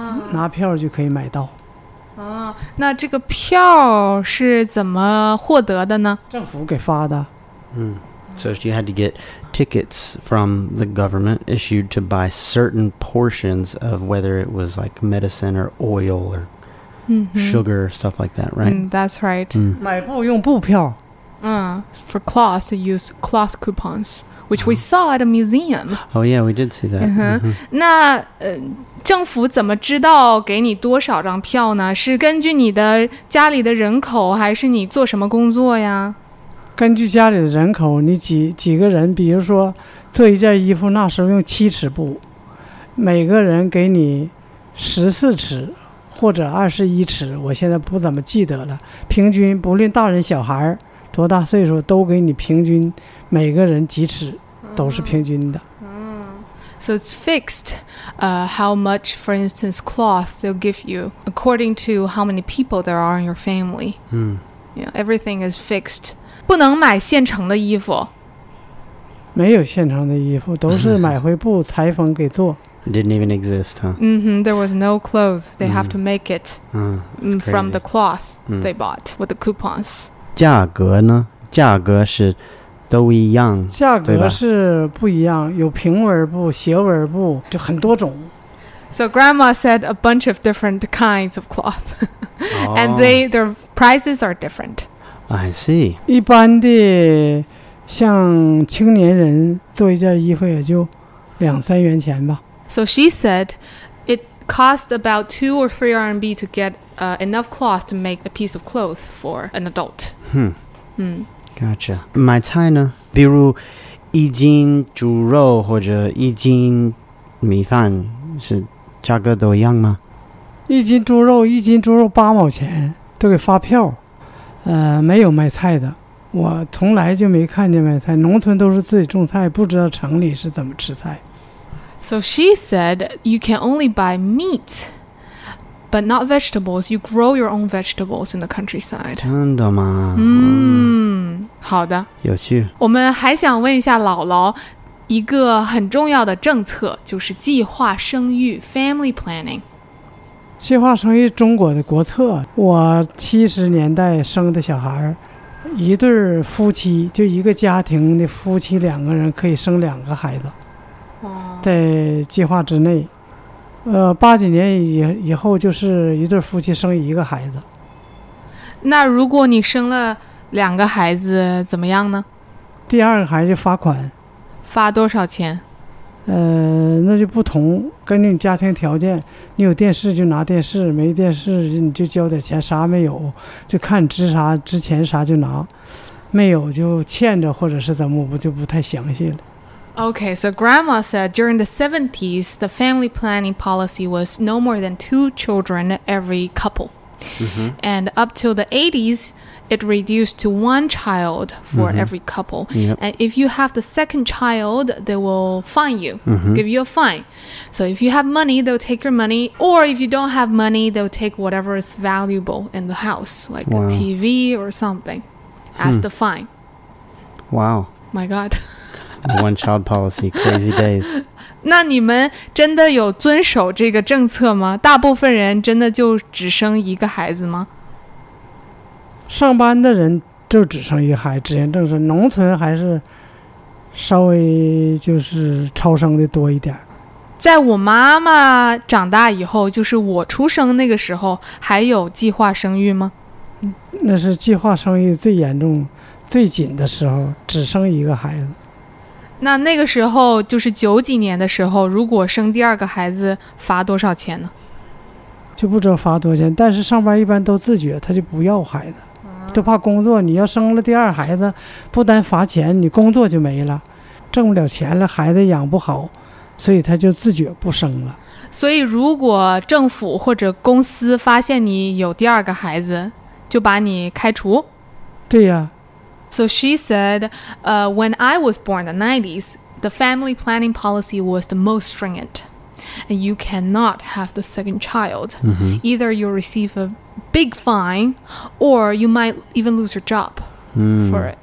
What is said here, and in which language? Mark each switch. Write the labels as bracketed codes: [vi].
[zh] 拿票就可以买到。那这个票是怎么获得的呢？政府给发的。 [en] So you had to get tickets from the government issued to buy certain portions of whether it was like medicine or oil or sugar, stuff like that, right? That's right. [zh] 买布用布票。 [en] For cloth, to use cloth coupons, which we saw at a museum. Oh yeah, we did see that. [zh] 那政府怎么知道给你多少张票呢？是根据你的家里的人口，还是你做什么工作呀？根据家里的人口，你几个人，比如说做一件衣服，那时候用七尺布，每个人给你十四尺或者二十一尺，我现在不怎么记得了。平均不论大人小孩多大岁数，都给你平均每个人几尺，都是平均的。 [en] So it's fixed, how much, for instance, cloth they'll give you according to how many people there are in your family. Yeah, everything is fixed. [zh] 不能买现成的衣服。没有现成的衣服，都是买回布裁缝给做。 [en] Didn't even exist, huh? Mm-hmm, there was no clothes. They have to make it from the cloth they bought with the coupons. [zh] 价格呢？价格是都一样，价格是不一样，有平纹布、斜纹布，就很多种。 [en] So grandma said a bunch of different kinds of cloth. And their prices are different. I see. [zh] 一般的像青年人做一件衣服也就两三元钱吧。 [en] So she said it cost about 2 or 3 RMB to get enough cloth to make a piece of cloth for an adult. Gotcha. [zh] 买菜呢？比如一斤猪肉或者一斤米饭是价格都一样吗？一斤猪肉八毛钱都给发票。没有卖菜的，我从来就没看见卖菜，农村都是自己种菜，不知道城里是怎么吃菜。 [en] So she said you can only buy meat but not vegetables, you grow your own vegetables in the countryside. [zh] 真的吗？好的，有趣。我们还想问一下姥姥一个很重要的政策，就是计划生育 family planning。计划生育中国的国策，我70年代生的小孩，一对夫妻，就一个家庭的夫妻两个人可以生两个孩子，在计划之内。八几年以后就是一对夫妻生一个孩子。那如果你生了两个孩子怎么样呢？第二个孩子罚款。罚多少钱？那就不同，根据你家庭条件，你有电视就拿电视，没电视你就交点钱，啥没有就看值啥，值钱啥就拿，没有就欠着或者是怎么，我就不太详细了。 [en] Okay, so grandma said during the 70s the family planning policy was no more than 2 children every couple. And up till the 80s it reduced to 1 child for every couple. And if you have the second child, they will fine you, give you a fine. So if you have money, they'll take your money. Or if you don't have money, they'll take whatever is valuable in the house, like a TV or something, as the fine. Wow. My God. One child policy, crazy days. [zh] 那你们真的有遵守这个政策吗？大部分人真的就只生一个孩子吗？上班的人就只生一孩，只言正事，农村还是稍微就是超生的多一点。在我妈妈长大以后，就是我出生那个时候，还有计划生育吗？那是计划生育最严重最紧的时候，只生一个孩子。那个时候就是九几年的时候，如果生第二个孩子罚多少钱呢？就不知道罚多少钱，但是上班一般都自觉，他就不要孩子，都怕工作，你要生了第二孩子不单罚钱，你工作就没了，挣不了钱了，孩子养不好，所以他就自觉不生了。所以如果政府或者公司发现你有第二个孩子就把你开除？对呀。 [en] So she said when I was born in the 90s the family planning policy was the most stringent and you cannot have the second child. Either you receive aBig fine, or you might even lose your job for it.